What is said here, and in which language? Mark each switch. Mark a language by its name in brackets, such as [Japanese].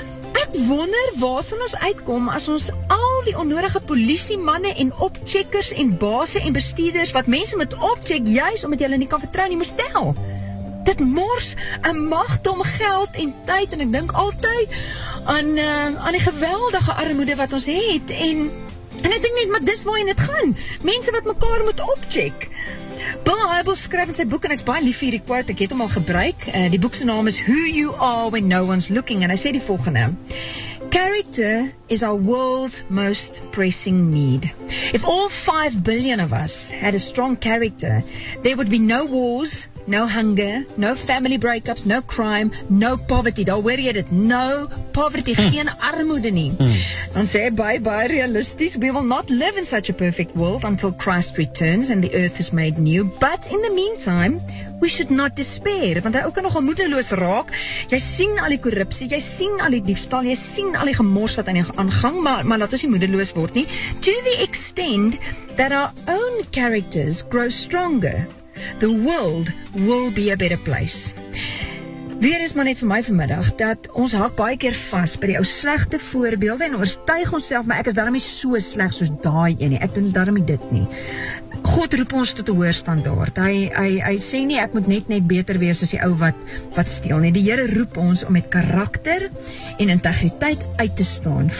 [Afrikaans] Ek wonder waar sal ons uitkom as ons al die onnodige polisiemanne en opcheckers en baase en bestuurders wat mense moet opcheck juist omdat jy hulle nie kan vertrou nie moet tel. Dit mors een macht om geld en tyd en ek dink altyd aan die geweldige armoede wat ons het en ek dink net, maar dis waarin het gaan. Mense wat mekaar moet opcheck. Bill Hybels skryf in sy boek, en ek is baie lief hierdie quote, ek het hom al gebruik. Die boek sy naam is Who You Are When No One's Looking, en hy sê die volgende. [English] Character is our world's most pressing need. If all 5 billion of us had a strong character, there would be no wars, no hunger, no family breakups, no crime, no poverty. [Afrikaans] Daar hoor jy dit, [English] no poverty, [Afrikaans] geen armoede nie. Dan sê baie, baie realisties, [English] we will not live in such a perfect world until Christ returns and the earth is made new. But in the meantime, we should not despair, [Afrikaans] want hy ook kan nogal moedeloos raak. Jy sien al die korrupsie, jy sien al die diefstal, jy sien al die gemors wat aan die aangang, maar laat ons nie moedeloos word nie. [English] To the extent that our own characters grow stronger, the world will be a better place. [Afrikaans] Weer is maar net vir my vanmiddag, dat ons hak baie keer vast by die ou slegte voorbeelde en oortuig ons self, maar ek is daarom nie so sleg soos daai ene, ek doen daarom nie dit nie. God roep ons tot die hoër standaard. Hy sê nie, ek moet net beter wees as die ou wat steel nie. Die Here roep ons om met karakter en integriteit uit te staan.